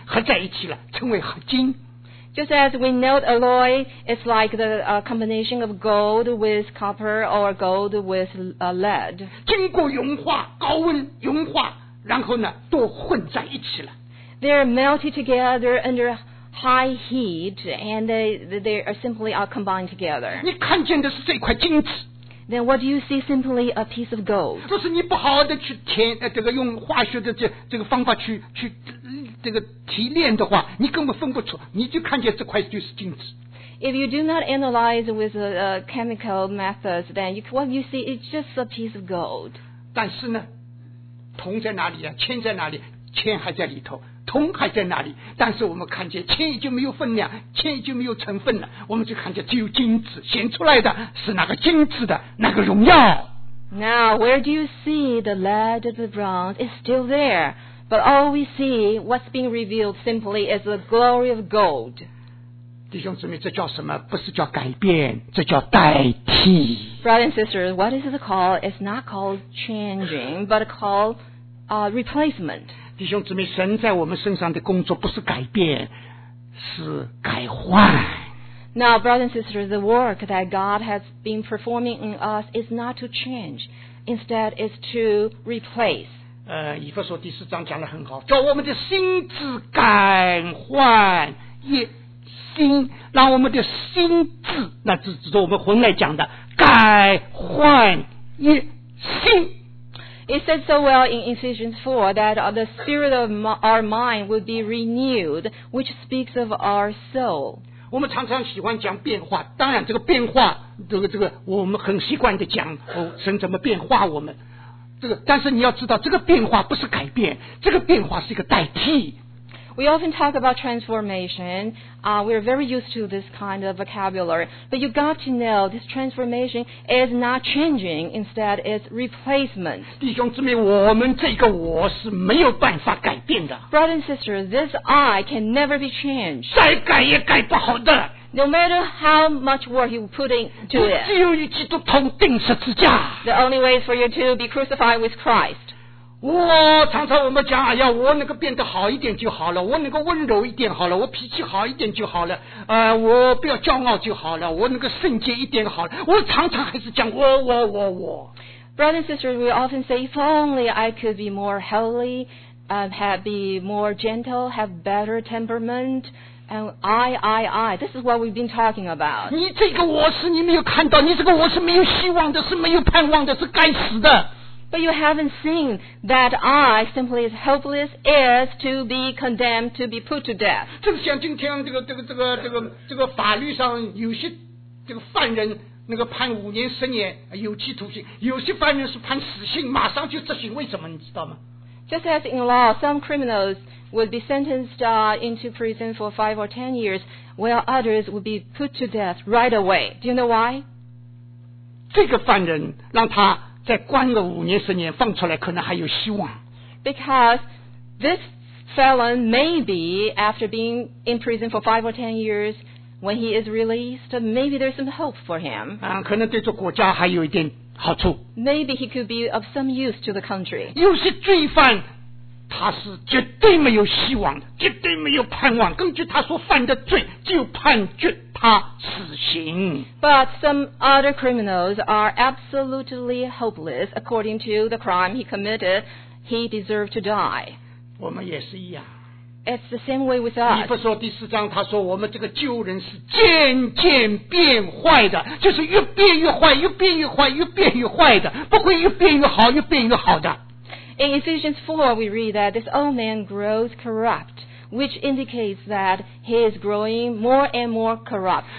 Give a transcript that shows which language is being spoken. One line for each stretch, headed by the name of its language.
Chinese: 我们今天知道这个合金啊，合金就是有些金子是同铜合在一起的，或者是金子同铅合在一起了，称为合金。
English: Just as we know alloy, it's like the combination of gold with copper or gold with lead.
Chinese: 经过融化，高温融化，然后呢，都混在一起了。
English: They're melted together under high heat, and they are simply combined together.
Chinese: 你看见的是这块金子。
English: Then what do you see? Simply a piece of gold.
Chinese: 若是你不好的去填这个用化学的这个方法去这个提炼的话，你根本分不出，你就看见这块就是金子。
English: If you do not analyze with a chemical methods, then what you see is just a piece of gold.
Chinese: 但是呢，铜在哪里啊？铅在哪里？铅还在里头，铜还在哪里？但是我们看见铅已经没有分量，铅已经没有成分了，我们就看见只有金子，显出来的是那个金子的那个荣耀。
English: Now, where do you see the lead or the bronze? It's still there, but all we see what's being revealed simply is the glory of gold.
Chinese: 弟兄姊妹，这叫什么？不是叫改变，这叫代替。
English: Brothers and sisters, what is it called? It's not called changing, but called replacement.
Chinese: 弟兄姊妹，神在我们身上的工作不是改变，是改换。
English: Now, brothers and sisters, the work that God has been performing in us is not to change, instead is to replace.
Chinese: 以弗所第四章讲得很好，叫我们的心智改换也。心，让我们的心智，那是指着我们魂来讲的，改换一心。
English: It says so well in Ephesians 4 that the spirit of our mind would be renewed, which speaks of our soul.
Chinese: 我们常常喜欢讲变化，当然这个变化，这个我们很习惯的讲，哦，神怎么变化我们？但是你要知道，这个变化不是改变，这个变化是一个代替。
English: We often talk about transformation. We're very used to this kind of vocabulary. But you got to know this transformation is not changing. Instead, it's replacement.
Chinese: 弟兄姊妹，我们这个我是没有办法改变的。
English: Brothers and sisters, this I can never be changed.
Chinese: 再改也改不好的。
English: No matter how much work you put into it.
Chinese: 只有与基督同钉十字架。
English: The only way is for you to be crucified with Christ.
Chinese: 我常常我们讲，哎呀，我能够变得好一点就好了，我能够温柔一点好了，我脾气好一点就好了，我不要骄傲就好了，我能够圣洁一点好了。我常常还是讲我。
English: Brothers and sisters, we often say, if only I could be more holy, be more gentle, have better temperament, and I. This is what we've been talking about.
Chinese: 你这个我是你没有看到，你这个我是没有希望的，是没有盼望的，是该死的。
English: But you haven't seen that I simply is hopeless, is to be condemned, to be put to death.
Chinese: 这个像今天这个法律上有些这个犯人那个判五年十年有期徒刑，有些犯人是判死刑，马上就执行，为什么你知道吗？
English: Just as in law, some criminals would be sentenced into prison for 5 or 10 years, while others would be put to death right away. Do you know why?
Chinese: 这个犯人让他再关个五年十年，放出来可能还有希望。
English: Because this felon maybe after being in prison for 5 or 10 years, when he is released, maybe there's some hope for him.
Chinese: 可能对这国家还有一点好处。
English: Maybe he could be of some use to the country.
Chinese: 有些罪犯他是绝对没有希望的，绝对没有盼望。根据他所犯的罪，就判决他死刑。
English: But some other criminals are absolutely hopeless. According to the crime he committed, he deserved to die.
Chinese: 我们也是一样。
English: It's the same way with us.
Chinese: 以弗所第四章他说，我们这个旧人是渐渐变坏的，就是越变越坏，越变越坏，越变越坏的，不会越变越好，越变越好的。
English: In Ephesians 4, we read that this old man grows corrupt, which indicates that he is growing more and more corrupt.